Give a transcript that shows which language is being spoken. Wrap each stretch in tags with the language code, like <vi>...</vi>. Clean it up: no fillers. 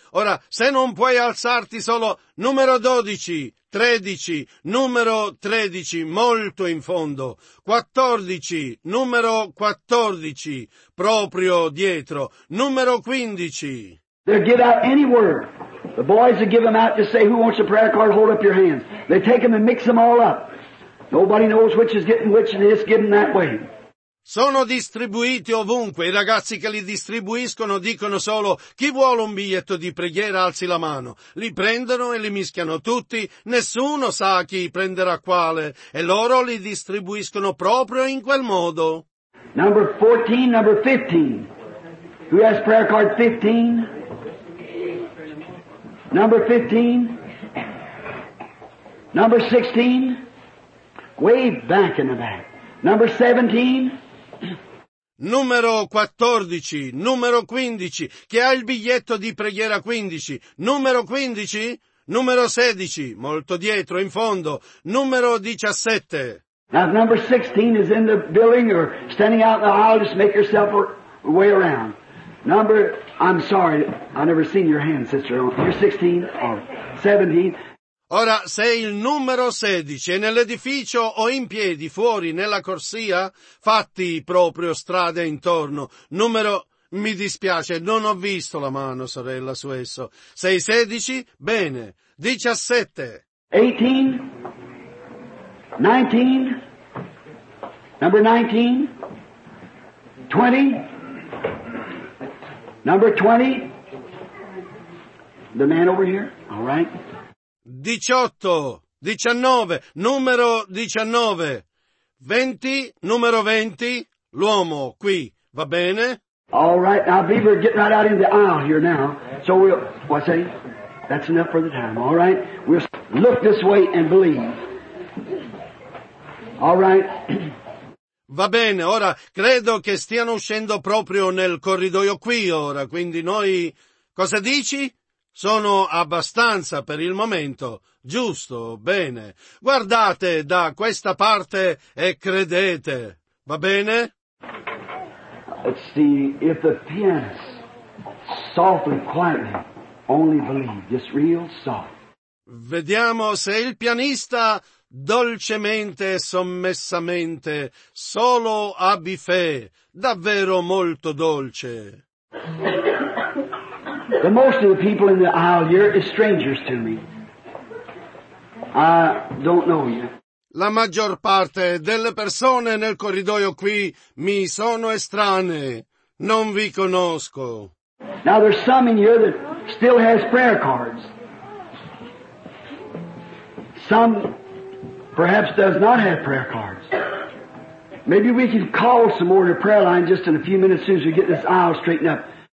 <it>Ora, se non puoi alzarti solo, numero 12, 13, numero 13, molto in fondo, 14, numero 14, proprio dietro, numero 15.</it> <en>They'll give out any word. The boys will give them out to say who wants a prayer card, hold up your hands. They take them and mix them all up. Nobody knows which is getting which and they just give them that way.</en> <it>Sono distribuiti ovunque, i ragazzi che li distribuiscono dicono solo chi vuole un biglietto di preghiera alzi la mano, li prendono e li mischiano tutti, nessuno sa chi prenderà quale e loro li distribuiscono proprio in quel modo.</it> <en>Number 14, number 15, who has prayer card 15? Number 15, number 16, way back in the back, number 17.</en> <it>Numero 14, numero 15, chi ha il biglietto di preghiera 15? Numero 15, numero 16, molto dietro, in fondo, numero 17.</it> <en>Now, if number 16 is in the building or standing out in the aisle, just make yourself way around. Number, I'm sorry, I never seen your hand, sister. You're 16 or 17.</en> <it>Ora, se il numero 16 è nell'edificio o in piedi fuori nella corsia, fatti proprio strade intorno. Numero, mi dispiace, non ho visto la mano, sorella, su esso. Sei 16? Bene. 17.</it> <en>18. 19. Number 19. 20. Number 20. The man over here. All right.</en> <it>18, 19, numero 19, 20, numero 20, l'uomo qui, va bene?</it> <en>All right, now Beaver, get right out in the aisle here now. So we'll, what's that? That's enough for the time, all right? We'll look this way and believe. All right.</en> <it>Va bene, ora credo che stiano uscendo proprio nel corridoio qui ora, quindi noi, cosa dici? Sono abbastanza per il momento, giusto, bene. Guardate da questa parte e credete, va bene?</it> <en>Let's see, if the pianist softly, quietly, only believe, just real soft.</en> <it>Vediamo se il pianista dolcemente e sommessamente, solo abbi fe, davvero molto dolce.</it> <en>The most of the people in the aisle here is strangers to me. I don't know you.</en> <it>La maggior parte delle persone nel corridoio qui mi sono estranee. Non vi conosco.</it> <en>Now there's some in here that still has prayer cards. Some perhaps does not have prayer cards. Maybe we can call some more to prayer line just in a few minutes as soon as we get this aisle straightened up.</en>